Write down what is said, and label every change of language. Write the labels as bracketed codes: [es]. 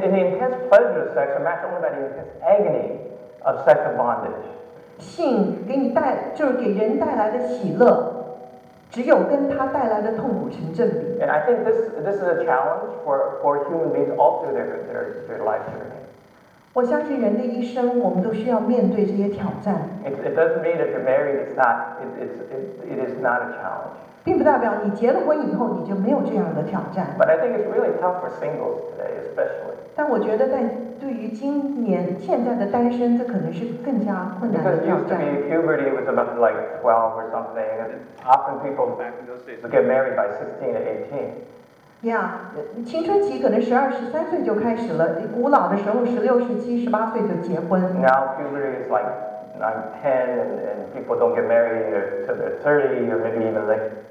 [en] the intense pleasure of sex are matched only by the intense agony of sexual bondage. [zh] 性给你带就是给人带来的喜乐。 [en] And I think this is a challenge for human beings all through their life journey. [zh] 我相信人的一生，我们都需要面对这些挑战。 [en] It doesn't mean if you're married, it is not a challenge. [zh] 并不代表你结了婚以后你就没有这样的挑战。 [en] But I think it's really tough for singles today, especially. [zh] 但我觉得在对于今年现在的单身，这可能是更加困难的挑战。 [en] Because used to be puberty was about like 12 or something, and often people back in those days would get married by 16 or 18. [zh] Yeah, 青春期可能12、13岁就开始了。古老的时候，16、17、18岁就结婚。 [en] Now puberty is like 9, 10, and people don't get married until they're 30 or maybe even later.